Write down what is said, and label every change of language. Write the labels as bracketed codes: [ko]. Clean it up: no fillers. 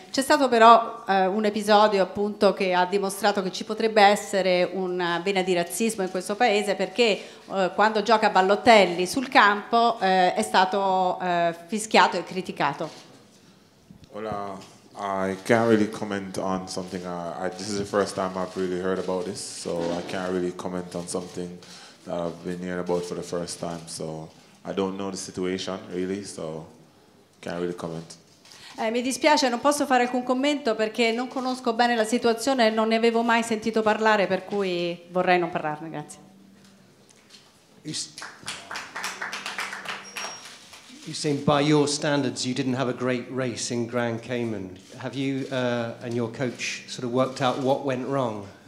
[it] C'è stato però un episodio appunto che ha dimostrato che ci potrebbe essere una vena di razzismo in questo paese perché quando gioca Balotelli sul campo è stato fischiato e criticato. [en] Hola, I can't really comment on something. This is the first time I've really heard about this, so I can't really comment on something that I've been hearing about for the first time, so I don't know the situation really, so can't really comment. [it] Mi dispiace, non posso fare alcun commento perché non conosco bene la situazione e non ne avevo mai sentito parlare, per cui vorrei non parlarne, grazie. [en] You seem, by your standards, you didn't have a great race in Grand Cayman. Have you and your coach sort of worked out what went wrong?